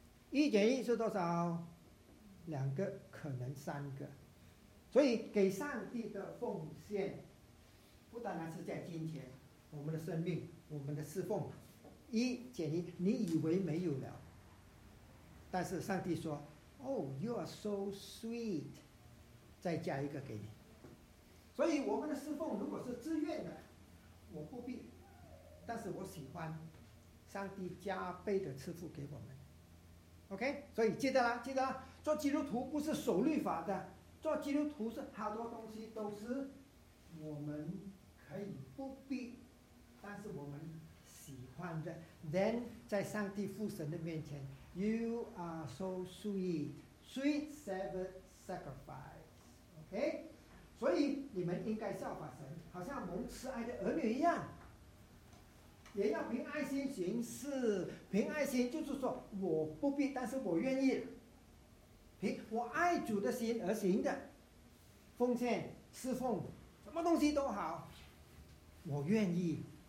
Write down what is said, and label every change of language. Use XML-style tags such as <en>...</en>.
<zh>一减一是多少？两个，可能三个。所以给上帝的奉献，不单单是在金钱，我们的生命，我们的侍奉，一减一，你以为没有了。但是上帝说</zh> <en>Oh, you are so sweet.</en> <zh>再加一个给你。所以我们的侍奉如果是自愿的，我不必，但是我喜欢上帝加倍的赐福给我们。</zh> <en>OK?</en> <zh>所以记得了，记得了，做基督徒不是守律法的，做基督徒是好多东西都是我们可以不必，但是我们喜欢的。</zh> <en>Then,</en> <zh>在上帝父神的面前，</zh> <en>You are so sweet, sweet seven sacrifice.</en> <zh>OK, 所以你们应该效法神，好像蒙慈爱的儿女一样，也要凭爱心行事。凭爱心就是说，我不必，但是我愿意，凭我爱主的心而行的，奉献、侍奉，什么东西都好，我愿意。</zh>